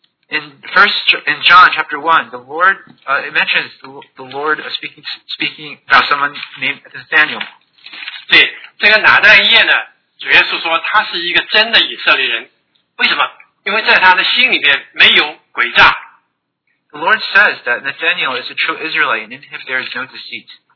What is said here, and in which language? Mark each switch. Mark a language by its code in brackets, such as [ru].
[en] In John chapter 1, the Lord, it mentions the Lord speaking about someone named Nathanael. [zh] 对，这个拿单耶呢， 主耶稣说他是一个真的以色列人，为什么？因为在他的心里面没有诡诈。 [en] The Lord says that Nathanael is a true Israelite, and in him there is no deceit.